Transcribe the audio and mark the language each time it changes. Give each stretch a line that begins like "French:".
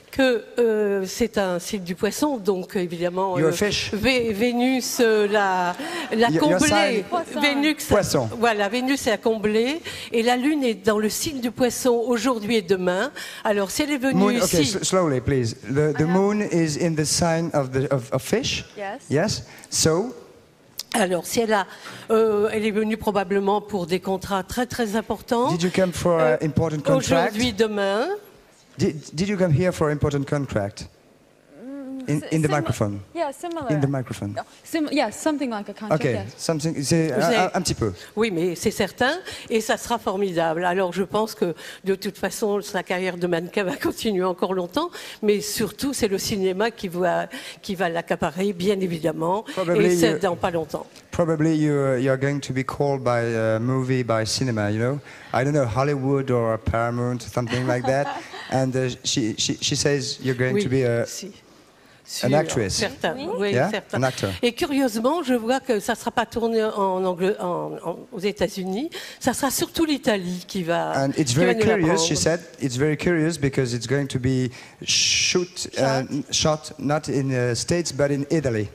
French: Que c'est un signe du poisson, donc évidemment, Vénus l'a comblé. Vénus, poisson. Voilà, Vénus l'a comblé, et la Lune est dans le signe du poisson aujourd'hui et demain. Alors, si elle est venue
English: moon,
French: ici...
English: Okay, slowly, please. The Moon is in the sign of fish. Yes. Yes, so...
French: Alors, si elle a, elle est venue probablement pour des contrats très très importants.
English: Did you come for an important contract?
French: Aujourd'hui, demain.
English: Did you come here for an important contract? In the microphone. Yeah, similar. In the microphone. Yeah, something like a contract. Okay, yes. Something.
French: C'est un petit peu. Oui, mais c'est certain, et ça sera formidable. Alors, je pense que de toute façon, sa carrière de mannequin va continuer encore longtemps, mais surtout, c'est le cinéma qui va l'accaparer, bien évidemment,
English: probably
French: et c'est dans pas longtemps.
English: Probably you're going to be called by a movie by cinema. You know, I don't know Hollywood or Paramount, something like that. And she says you're going
French: oui,
English: to be a.
French: Si.
English: An actress. Certain.
French: Oui,
English: yeah? Certain. An actor.
French: Et curieusement, je vois que ça ne sera pas tourné aux États-Unis. Ça sera surtout l'Italie qui va.
English: And it's very curious, she said. It's very curious because it's going to be shot not in the States but in Italy.